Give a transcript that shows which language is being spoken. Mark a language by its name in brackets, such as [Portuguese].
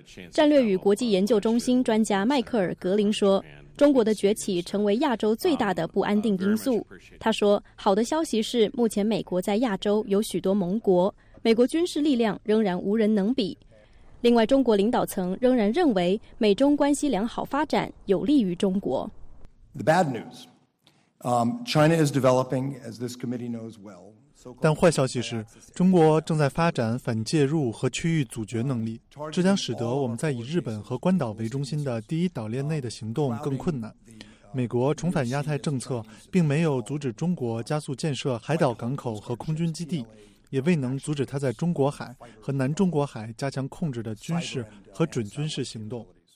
[Chinese] 战略与国际研究中心专家迈克尔·格林说，中国的崛起成为亚洲最大的不安定因素。他说，好的消息是目前美国在亚洲有许多盟国，美国军事力量仍然无人能比。另外，中国领导层仍然认为美中关系良好发展有利于中国。 [English] The bad news, China is developing, as this committee knows well. [Chinese] 但坏消息是，中国正在发展反介入和区域阻绝能力，这将使得我们在以日本和关岛为中心的第一岛链内的行动更困难。美国重返亚太政策并没有阻止中国加速建设海岛港口和空军基地，也未能阻止它在中国海和南中国海加强控制的军事和准军事行动。